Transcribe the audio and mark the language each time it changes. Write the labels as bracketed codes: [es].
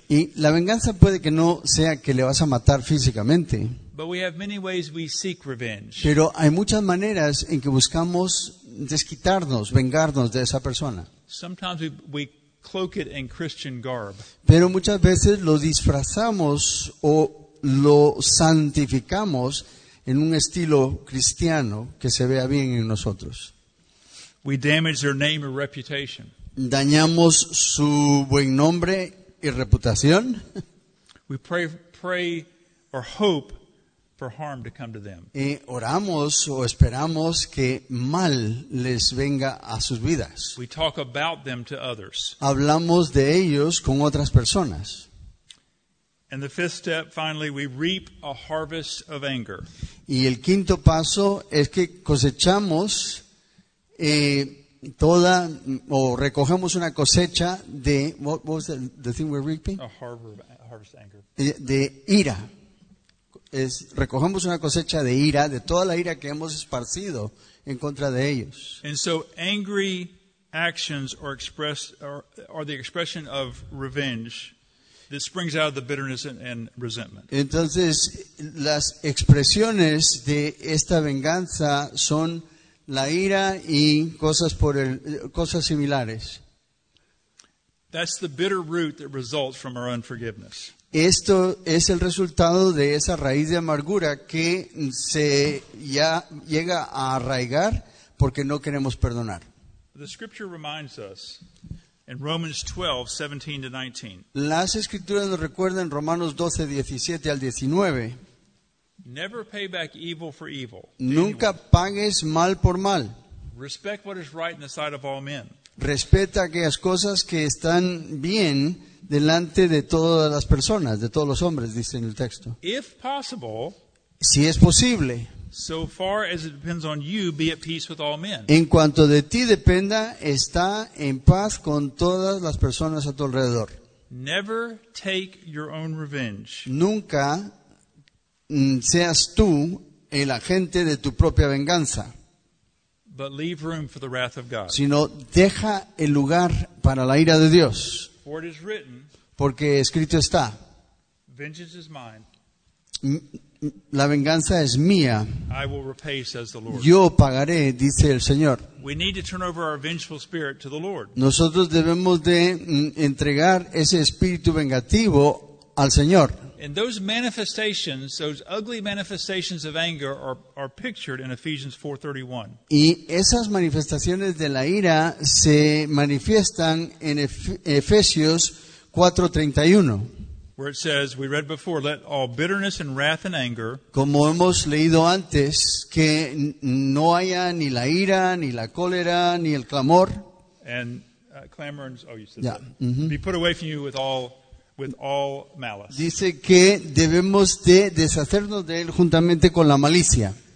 [es] Y la venganza puede que no sea que le vas a matar físicamente. [en] But we have many ways we seek revenge. [es] Pero hay muchas maneras en que buscamos desquitarnos, vengarnos de esa persona. [en] Sometimes we cloak it in Christian garb. [es] Pero muchas veces lo disfrazamos o lo santificamos en un estilo cristiano que se vea bien en nosotros. [en] We damage their name or reputation. [es] Dañamos su buen nombre y reputación. [en] We pray or hope for harm to come to them. [es] Y oramos o esperamos que mal les venga a sus vidas. [en] We talk about them to others. [es] Hablamos de ellos con otras personas. [en] And the fifth step, finally, we reap a harvest of anger. [es] Y el quinto paso es que cosechamos toda, o recogemos una cosecha de, [en] what was the thing we're reaping? A harvest of anger. [es] De ira. Es, recogemos una cosecha de ira, de toda la ira que hemos esparcido en contra de ellos. [en] And so angry actions are the expression of revenge that springs out of the bitterness and resentment. [es] Entonces, las expresiones de esta venganza son la ira y cosas similares. [en] That's the bitter root that results from our unforgiveness. [es] Esto es el resultado de esa raíz de amargura que se ya llega a arraigar porque no queremos perdonar. [en] The scripture reminds us in Romans 12, 17 to 19. [es] Las escrituras nos recuerdan en Romanos 12, 17 al 19. [en] Never pay back evil for evil. [es] Nunca pagues mal por mal. [en] Respect what is right in the sight of all men. [es] Respeta aquellas cosas que están bien delante de todas las personas, de todos los hombres, dice en el texto. [en] If possible, [es] si es posible, [en] so far as it depends on you, be at peace with all men. [es] En cuanto de ti dependa, está en paz con todas las personas a tu alrededor. [en] Never take your own revenge. [es] Nunca seas tú el agente de tu propia venganza. [en] But leave room for the wrath of God. [es] Sino deja el lugar para la ira de Dios. [en] For it is written, [es] porque escrito está, [en] vengeance is mine. [es] La venganza es mía. [en] I will repay, says the Lord. [es] Yo pagaré, dice el Señor. [en] We need to turn over our vengeful spirit to the Lord. [es] Nosotros debemos de entregar ese espíritu vengativo al Señor. [en] And those manifestations, those ugly manifestations of anger are pictured in Ephesians 4:31. [es] Y esas manifestaciones de la ira se manifiestan en Efesios 4:31. [en] Where it says, we read before, let all bitterness and wrath and anger. [es] Como hemos leído antes, que no haya ni la ira, ni la cólera, ni el clamor. [en] And clamor, you said that. Mm-hmm. Be put away from you with all malice. [es] Dice que debemos de deshacernos de él juntamente con la malicia.